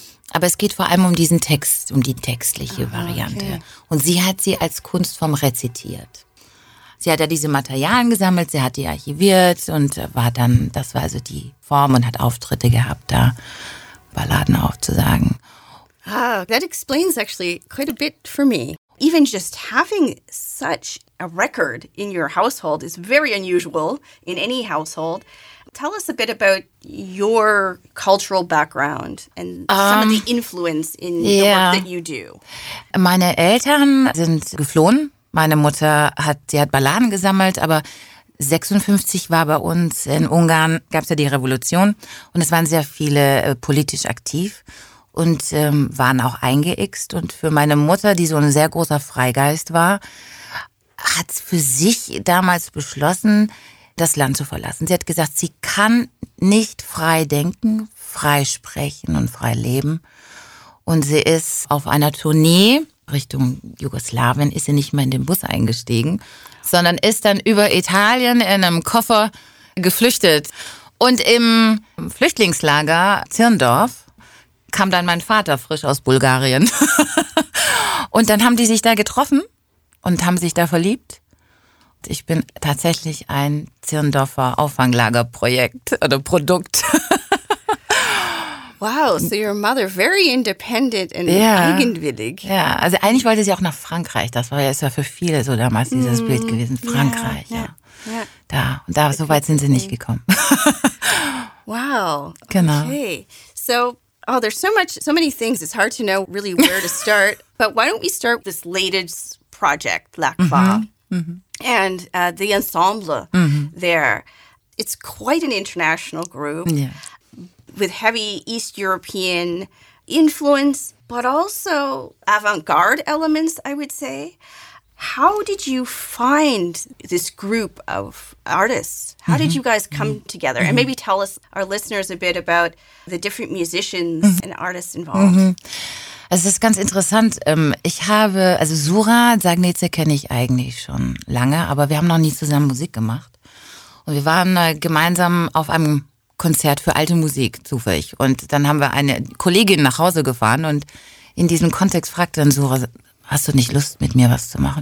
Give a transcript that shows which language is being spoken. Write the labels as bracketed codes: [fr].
[de] Aber es geht vor allem um diesen Text, um die textliche Variante. Okay. Und sie hat sie als Kunstform rezitiert. Sie hat ja diese Materialien gesammelt, sie hat die archiviert und war dann, das war also die Form und hat Auftritte gehabt, da Balladen aufzusagen. [en] Ah, that explains actually quite a bit for me. Even just having such a record in your household is very unusual in any household. Tell us a bit about your cultural background and some of the influence in the work that you do. [de] Meine Eltern sind geflohen. Meine Mutter hat Balladen gesammelt, aber 1956 war bei uns in Ungarn, gab es ja die Revolution und es waren sehr viele politisch aktiv und waren auch eingeixt. Und für meine Mutter, die so ein sehr großer Freigeist war, hat für sich damals beschlossen, das Land zu verlassen. Sie hat gesagt, sie kann nicht frei denken, frei sprechen und frei leben. Und sie ist auf einer Tournee Richtung Jugoslawien, ist sie nicht mehr in den Bus eingestiegen, sondern ist dann über Italien in einem Koffer geflüchtet. Und im Flüchtlingslager Zirndorf kam dann mein Vater frisch aus Bulgarien. Und dann haben die sich da getroffen und haben sich da verliebt. Und ich bin tatsächlich ein Zirndorfer Auffanglagerprojekt oder Produkt. [en] Wow, so your mother, very independent and eigenwillig. [de] Ja, also eigentlich wollte sie auch nach Frankreich. Das war ja für viele so damals dieses Bild gewesen. Frankreich, Da, und da, so weit sind sie nicht gekommen. Wow. Genau. [en] Okay. So, oh, there's so many things. It's hard to know really where to start. But why don't we start this latest project, Lakva, and the ensemble there. It's quite an international group. Yeah. With heavy East European influence, but also avant-garde elements, I would say. How did you find this group of artists? How mm-hmm. did you guys come mm-hmm. together? And maybe tell us, our listeners, a bit about the different musicians mm-hmm. and artists involved. Mm-hmm. [de] Es ist ganz interessant. Ich habe, also Sura Sagnetze kenne ich eigentlich schon lange, aber wir haben noch nie zusammen Musik gemacht. Und wir waren gemeinsam auf einem Konzert für alte Musik, zufällig. Und dann haben wir eine Kollegin nach Hause gefahren und in diesem Kontext fragte dann Sura, hast du nicht Lust, mit mir was zu machen?